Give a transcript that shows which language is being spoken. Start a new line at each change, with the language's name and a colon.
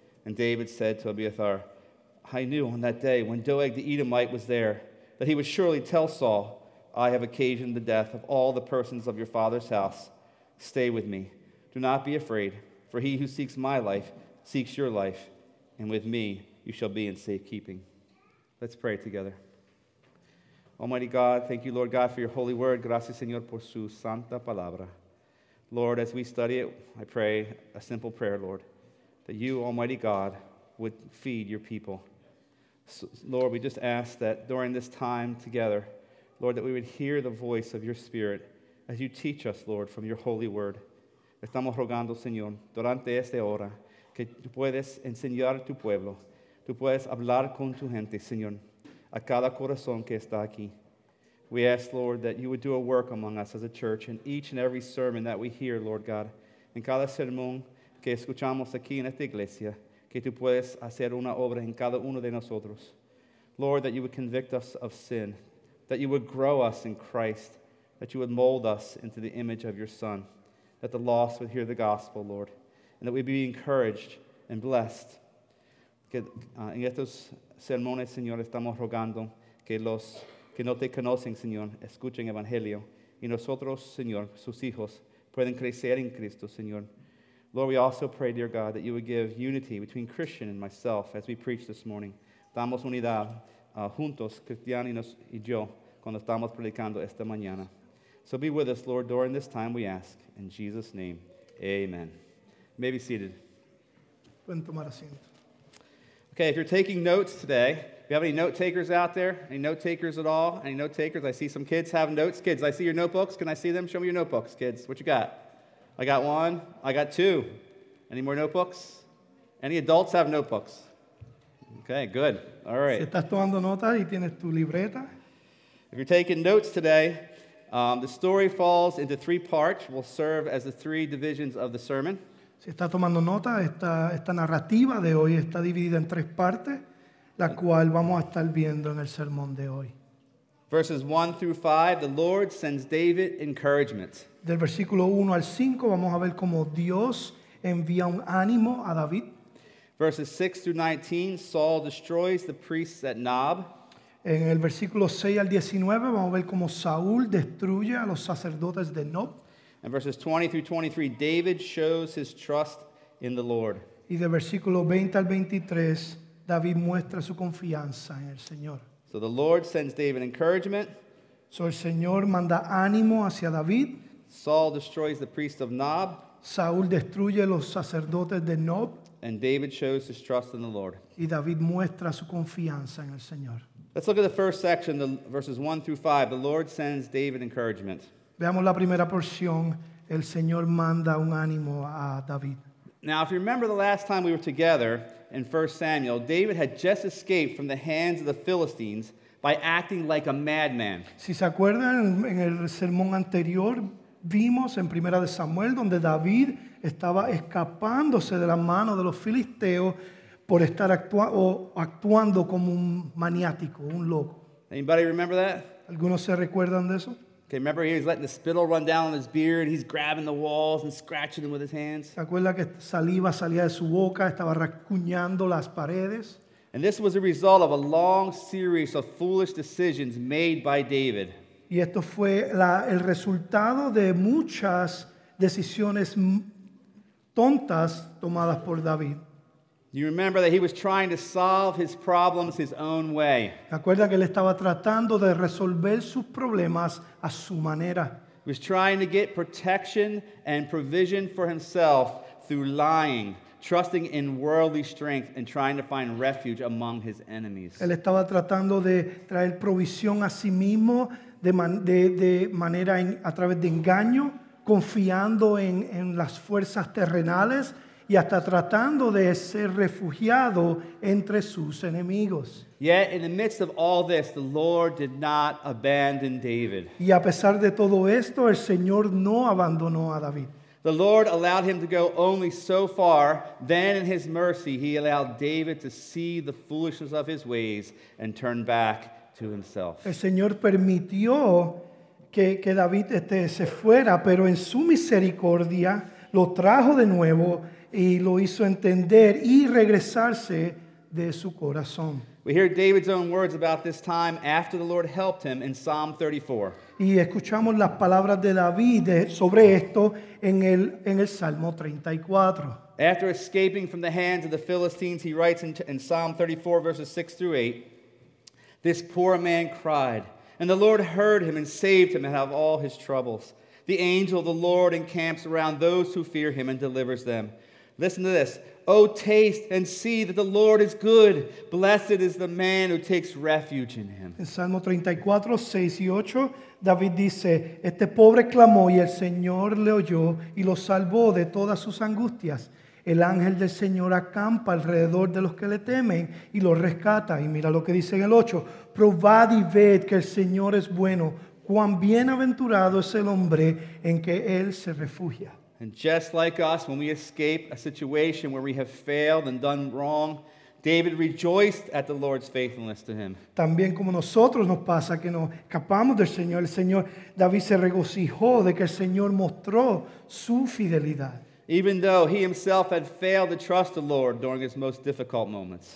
English: And David said to Abiathar, "I knew on that day when Doeg the Edomite was there that he would surely tell Saul, 'I have occasioned the death of all the persons of your father's house. Stay with me. Do not be afraid, for he who seeks my life seeks your life, and with me you shall be in safe keeping.'" Let's pray together. Almighty God, thank you, Lord God, for your holy word.
Spanish: Gracias, Señor, por su santa palabra.
English: Lord, as we study it, I pray a simple prayer, Lord, that you, Almighty God, would feed your people. So, Lord, we just ask that during this time together, Lord, that we would hear the voice of your Spirit as you teach us, Lord, from your holy word.
Spanish: Estamos rogando, Señor, durante esta hora, que tú puedes enseñar a tu pueblo. Tú puedes hablar con tu gente, Señor, a cada corazón que está aquí.
English: We ask, Lord, that you would do a work among us as a church in each and every sermon that we hear, Lord God.
Spanish: En cada sermón que escuchamos aquí en esta iglesia, que tú puedes hacer una obra en cada uno de nosotros.
English: Lord, that you would convict us of sin, that you would grow us in Christ, that you would mold us into the image of your Son, that the lost would hear the gospel, Lord, and that we'd be encouraged and blessed.
Spanish: Que en estos sermones, Señor, estamos rogando que los que no te conocen, Señor, escuchen el Evangelio, y nosotros, Señor, sus hijos, pueden crecer en Cristo, Señor.
English: Lord, we also pray, dear God, that you would give unity between Christian and myself as we preach this morning.
Spanish: Damos unidad juntos, cristianos y yo, cuando estamos predicando esta mañana.
English: So be with us, Lord, during this time, we ask. In Jesus' name, amen. You may be seated.
Spanish: Pueden tomar asiento.
English: Okay, if you're taking notes today, do you have any note takers out there? Any note takers at all? Any note takers? I see some kids have notes. Kids, I see your notebooks. Can I see them? Show me your notebooks, kids. What you got? I got one. I got two. Any more notebooks? Any adults have notebooks? Okay, good. All right.
Spanish: Si estás tomando nota y tienes tu libreta.
English: If you're taking notes today, the story falls into three parts, will serve as the three divisions of the sermon.
Spanish: Si estás tomando nota, esta narrativa de hoy está dividida en tres partes, la cual vamos a estar viendo en el sermón de hoy.
English: Verses 1 through 5, the Lord sends David encouragement.
Spanish: Del versículo 1 al 5, vamos a ver cómo Dios envía un ánimo a David.
English: Verses 6 through 19, Saul destroys the priests at Nob.
Spanish: En el versículo 6 al 19, vamos a ver cómo Saúl destruye a los sacerdotes de Nob.
English: In verses 20 through 23, David shows his trust in the Lord.
Spanish: Y del versículo 20 al 23, David muestra su confianza en el Señor.
English: So the Lord sends David encouragement.
Spanish: So el Señor manda ánimo hacia David.
English: Saul destroys the priest of Nob.
Spanish: Saúl destruye los sacerdotes de Nob.
English: And David shows his trust in the Lord.
Spanish: Y David muestra su confianza en el Señor.
English: Let's look at the first section, the verses 1 through 5. The Lord sends David encouragement.
Spanish: Veamos la primera porción. El Señor manda un ánimo a David.
English: Now, if you remember the last time we were together in 1 Samuel, David had just escaped from the hands of the Philistines by acting like a madman.
Spanish: Si se acuerdan, en el sermón anterior vimos en 1 Samuel donde David estaba escapándose de la mano de los filisteos por estar actuando como un maniático, un loco.
English: Anybody remember that?
Spanish: ¿Algunos se recuerdan de eso?
English: Okay, remember he was letting the spittle run down on his beard, he's grabbing the walls and scratching them with his hands.
Spanish: ¿Se acuerda que saliva salía de su boca, estaba rascuñando las paredes?
English: And this was a result of a long series of foolish decisions made by David.
Spanish: Y esto fue el resultado de muchas decisiones tontas tomadas por David.
English: You remember that he was trying to solve his problems his own way.
Spanish: Acuerda que él estaba tratando de resolver sus problemas a su manera.
English: He was trying to get protection and provision for himself through lying, trusting in worldly strength and trying to find refuge among his enemies.
Spanish: Él estaba tratando de traer provisión a sí mismo de manera a través de engaño, confiando en las fuerzas terrenales y hasta tratando de ser refugiado entre sus enemigos.
English: Yet in the midst of all this, the Lord did not abandon David.
Spanish: Y a pesar de todo esto, el Señor no abandonó a David.
English: The Lord allowed him to go only so far. Then in his mercy, he allowed David to see the foolishness of his ways and turn back to himself.
Spanish: El Señor permitió que David se fuera, pero en su misericordia lo trajo de nuevo y lo hizo entender y regresarse de su corazón.
English: We hear David's own words about this time after the Lord helped him in Psalm 34.
Spanish: Y escuchamos las palabras de David sobre esto en el Salmo 34.
English: After escaping from the hands of the Philistines, he writes in Psalm 34, verses 6 through 8, "This poor man cried, and the Lord heard him and saved him out of all his troubles. The angel of the Lord encamps around those who fear him and delivers them. Listen to this. Oh, taste and see that the Lord is good. Blessed is the man who takes refuge in him."
Spanish: En Salmo 34, 6 y 8, David dice, "Este pobre clamó y el Señor le oyó y lo salvó de todas sus angustias. El ángel del Señor acampa alrededor de los que le temen y los rescata." Y mira lo que dice en el 8. "Probad y ved que el Señor es bueno. cuán bienaventurado es el hombre en que él se refugia.
English: And just like us, when we escape a situation where we have failed and done wrong, David rejoiced at the Lord's faithfulness to him.
Spanish: También como nosotros nos pasa que nos escapamos del Señor, el Señor David se regocijó de que el Señor mostró su fidelidad.
English: Even though he himself had failed to trust the Lord during his most difficult moments.